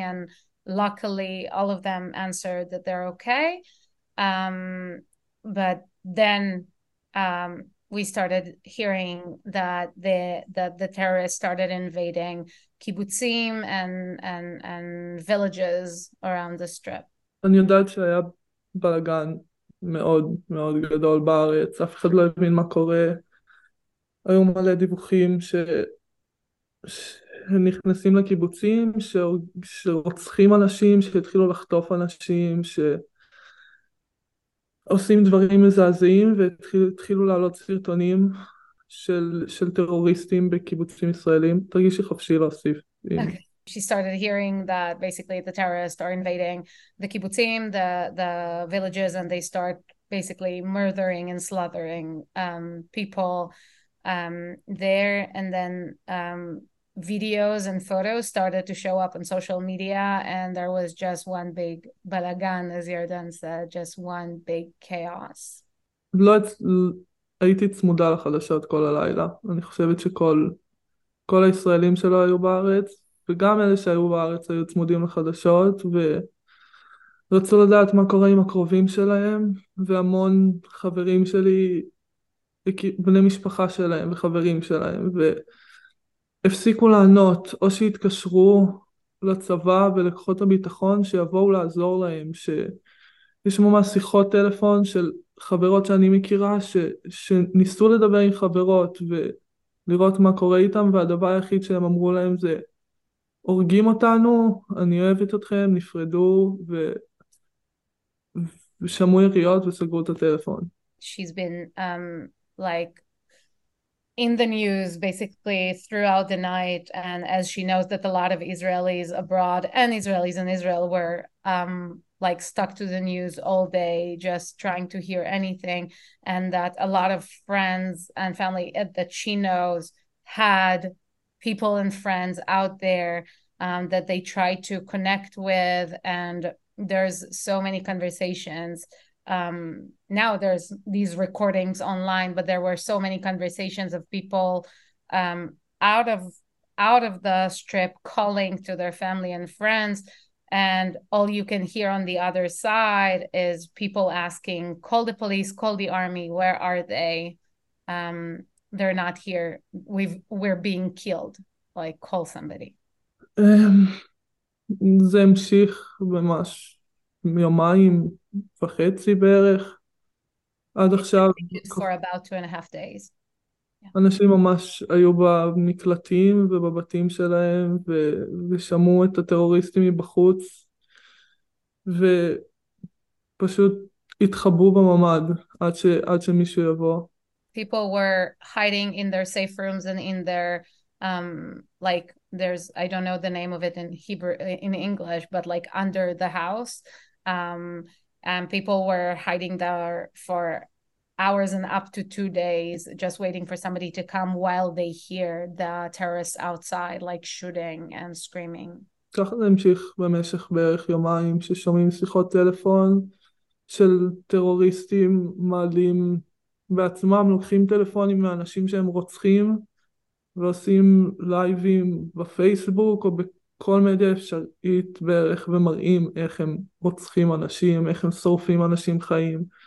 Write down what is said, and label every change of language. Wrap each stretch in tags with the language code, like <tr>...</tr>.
<en>And luckily, all of them answered that they're okay. But then we started hearing that the terrorists started invading kibbutzim and villages around the strip.</en> <he>אני יודעת שהיה בלגן מאוד מאוד גדול בארץ, אף אחד לא הבין מה קורה. היו מלא דיווחים שנכנסים לקיבוצים, שרוצחים אנשים, שהתחילו לחטוף אנשים, שעושים דברים מזעזעים, והתחילו לעלות סרטונים של טרוריסטים בקיבוצים ישראלים. תרגישי חופשי להוסיף.</he> <en>She started hearing that basically the terrorists are invading the kibbutzim, the villages, and they start basically murdering and slaughtering people there. And then videos and photos started to show up on social media, and there was just one big balagan, as Yarden said, just one big chaos.</en> <he>הייתי צמודה לחדשות כל הלילה. אני חושבת שכל הישראלים שלא היו בארץ, וגם אלה שהיו בארץ היו צמודים לחדשות, ורצו לדעת מה קורה עם הקרובים שלהם, והמון חברים שלי, בני משפחה שלהם וחברים שלהם, והפסיקו לענות, או שהתקשרו לצבא ולקחות הביטחון, שיבואו לעזור להם, שיש ממש שיחות טלפון של חברות שאני מכירה, שניסו לדבר עם חברות, ולראות מה קורה איתם, והדבר היחיד שהם אמרו להם זה, הורגים אותנו, אני אוהבת אתכם, נפרדו ושמעו יריות וסגרו את הטלפון.</he> <en>She's been like in the news basically throughout the night, and as she knows that a lot of Israelis abroad and Israelis in Israel were like stuck to the news all day just trying to hear anything, and that a lot of friends and family that she knows had people and friends out there that they try to connect with, and there's so many conversations. Now there's these recordings online, but there were so many conversations of people out of the strip calling to their family and friends, and all you can hear on the other side is people asking, call the police, call the army, where are they? They're not here, we're being killed, like call somebody.</en> <he>זה המשיך ממש יומיים וחצי בערך, עד עכשיו</he> <en>for about 2.5 days.</en> <he>אנשים ממש היו במקלטים ובבתים שלהם ושמעו את הטרוריסטים מבחוץ ופשוט התחבאו בממד עד שמישהו יבוא.</he> <en>People were hiding in their safe rooms and in their like there's, I don't know the name of it in Hebrew, in English, but like under the house, and people were hiding there for hours and up to 2 days just waiting for somebody to come while they hear the terrorists outside like shooting and screaming.</en> <he>ככה זה המשיך במשך בערך יומיים, ששומעים שיחות טלפון של טרוריסטים מעלים בעצמם, לוקחים טלפונים מאנשים שהם רוצחים ועושים לייבים בפייסבוק או בכל מדיה אפשרית בערך, ומראים איך הם רוצחים אנשים, איך הם שורפים אנשים חיים.</he>